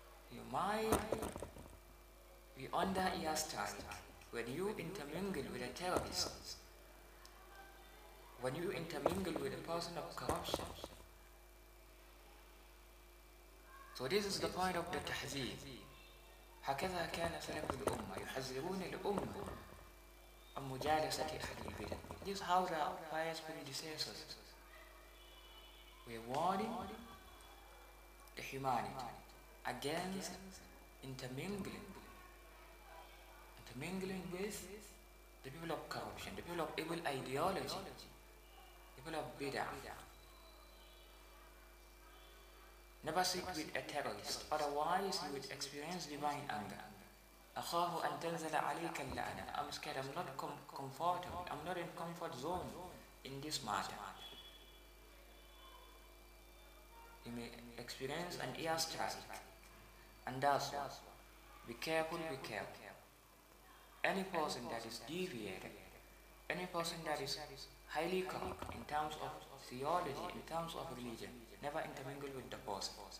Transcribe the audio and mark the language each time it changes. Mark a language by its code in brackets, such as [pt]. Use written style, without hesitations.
[en] You might be under ear strike when you intermingle with a terrorist. When you intermingle with a person of corruption. So this is the point of the tahzeeb. [ar] هكذا كان سلف الأمة يحذرون الأمة عن مجالسة أهل البدع. [en] This is how the pious predecessors were warning the humanity against intermingling with the people of corruption, the people of evil ideology, the people of bid'ah. Never sit with a terrorist, otherwise you would experience divine anger. [ar] أخاف أن تنزل عليك اللعنة. [en] I'm scared, I'm not comfortable, I'm not in comfort zone in this matter. You may experience an air strike. And that's why, be careful, be careful. Any person that is deviated, any person that is highly corrupt in terms of theology, in terms of religion, never intermingle with the person.